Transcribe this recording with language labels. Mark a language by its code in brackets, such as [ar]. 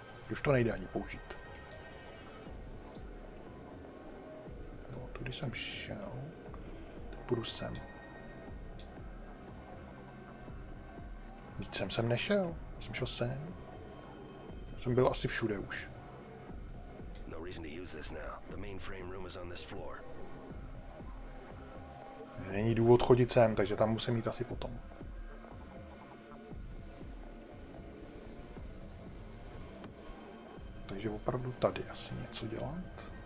[cs] Už to nejde ani použít. Když jsem šel, půjdu sem. Víc jsem sem nešel, jsem šel sem. Jsem byl asi všude už. [en] No reason to use this now. The mainframe room is on this floor. [cs] Není důvod chodit sem, takže tam musím jít asi potom. Takže opravdu tady asi něco dělat.